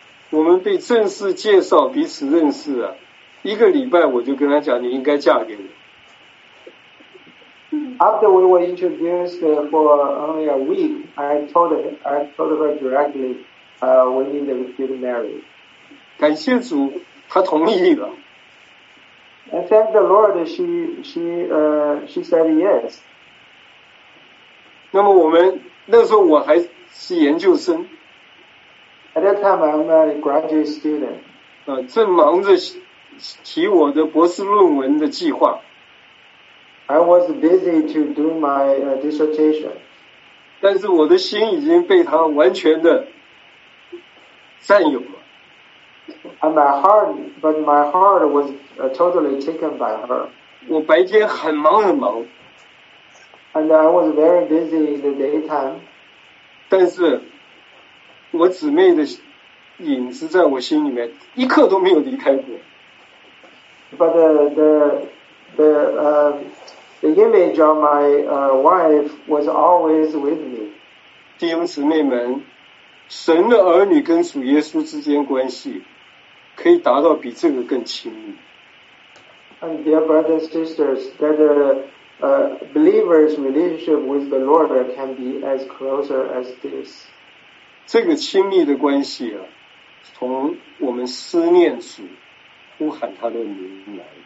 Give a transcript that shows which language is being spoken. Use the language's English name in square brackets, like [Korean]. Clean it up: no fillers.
[Chinese] 我们被正式介绍彼此认识啊，一个礼拜我就跟她讲，你应该嫁给我。 [English] After we were introduced for only a week, I told her directly, we need to get married. [Chinese] 感谢主，她同意了。 [English] I thank the Lord, she said yes. [Chinese] 那么我们那时候我还。是研究生。 [English] At that time, I'm a graduate student. [Chinese] 正忙着提我的博士论文的计划。 [English] I was busy to do my dissertation. [Chinese] 但是我的心已经被他完全的占有了。 [English] And my heart was totally taken by her. [Chinese] 我白天很忙很忙。 [English] And I was very busy in the daytime. [Chinese] 但是我姊妹的影子在我心里面一刻都没有离开过。 [English] But the image of my wife was always with me. [Chinese] 弟兄姊妹们，神的儿女跟主耶稣之间关系可以达到比这个更亲密。 [English] And dear brothers and sisters, that believers' relationship with the Lord can be as closer as this. [Chinese] 这个亲密的关系啊，从我们思念主、呼喊他的名来。